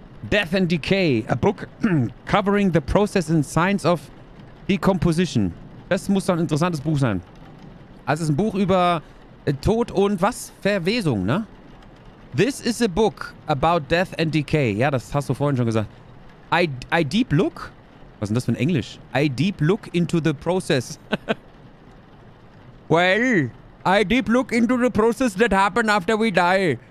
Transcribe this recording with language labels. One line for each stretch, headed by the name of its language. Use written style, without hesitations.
English: Death and Decay, a book covering the process and science of decomposition.
German: Das muss doch ein interessantes Buch sein. Also es ist ein Buch über Tod und was? Verwesung, ne?
English: This is a book about death and decay.
German: Ja, das hast du vorhin schon gesagt.
English: I deep look?
German: Was ist denn das für ein Englisch?
English: I deep look into the process. Well, I deep look into the process that happened after we die.